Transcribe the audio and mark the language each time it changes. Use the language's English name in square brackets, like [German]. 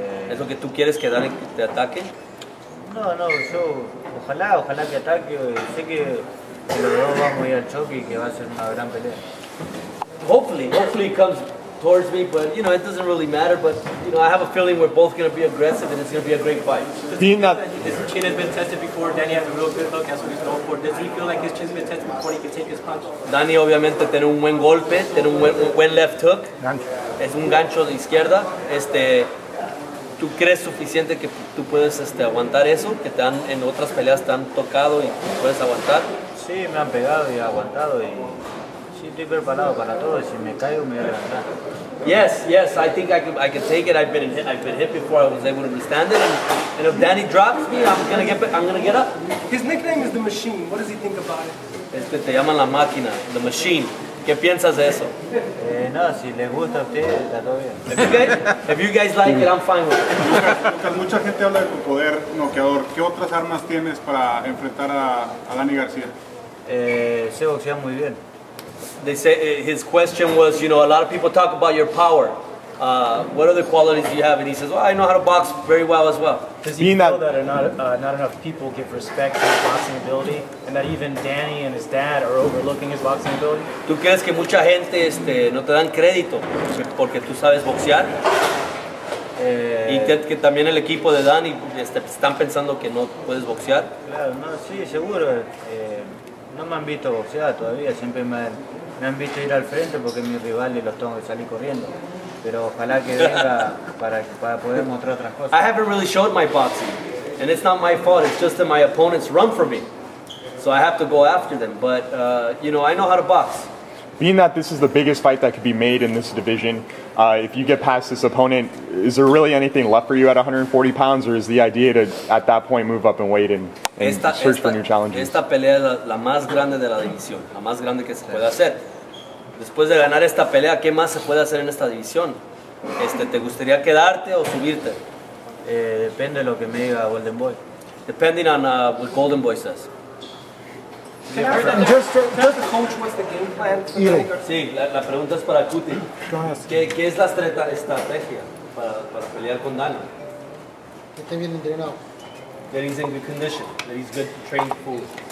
[Spanish] ¿Es lo que tú quieres que Danny te ataque? No, yo ojalá que ataque, sé que los dos vamos a ir al choque y que va a ser una gran pelea. [English] Hopefully it comes towards me, but you know, it doesn't really matter, but you know, I have a feeling we're both going to be aggressive and it's going to be a great fight. His chin has been tested before, Danny has a real good look, that's what he's going for. Does he feel like his chin has been tested before he can take his punch? [Spanish] Danny obviamente tiene un buen golpe, tiene un buen left hook. Es un gancho de izquierda. ¿Tú crees suficiente que tú puedes aguantar eso? Que te han, en otras peleas te han tocado y puedes aguantar. Sí, me han pegado y aguantado y sí estoy preparado para todo. Si me caigo me voy a levantar. [English] Yes, I think I can take it. I've been hit before. I was able to withstand it. And if Danny drops me, I'm gonna get up. His nickname is the Machine. What does he think about it? [Spanish] Te llaman la máquina, the Machine. ¿Qué piensas de eso? No, si les gusta a usted, está todo bien. [English] If you guys like it, I'm fine with it. [Spanish] Lucas, mucha gente habla de tu poder noqueador. ¿Qué otras armas tienes para enfrentar a Danny García? Sé boxear muy bien. [English] His question was, you know, a lot of people talk about your power. What other qualities do you have? And he says, well, I know how to box very well as well. Does he know that not enough people give respect to his boxing ability? And that even Danny and his dad are overlooking his boxing ability? [Spanish] ¿Tú crees que mucha gente no te dan crédito porque tú sabes boxear? Y que también el equipo de Danny están pensando que no puedes boxear? Claro, no, sí, seguro. No me han visto boxear todavía. Siempre me han visto ir al frente porque mis rivales los tengo que salir corriendo. Pero ojalá que venga para poder mostrar otras cosas. [English] I haven't really showed my boxing. And it's not my fault, it's just that my opponents run from me. So I have to go after them. But, you know, I know how to box. Being that this is the biggest fight that could be made in this division, if you get past this opponent, is there really anything left for you at 140 pounds? Or is the idea to, at that point, move up and wait and search for new challenges? [Spanish] Esta pelea es la más grande de la división. La más grande que se puede hacer. Después de ganar esta pelea, ¿qué más se puede hacer en esta división? ¿Te gustaría quedarte o subirte? Depende de lo que me diga Golden Boy. [English] Depending on what Golden Boy says. Just coach, what's the game plan for Danny Garcia? [Spanish] Sí, la pregunta es para Cuti. ¿Qué es la estrategia para pelear con Danny? Que esté bien entrenado. [English] That he's in good condition, that he's good trained fully.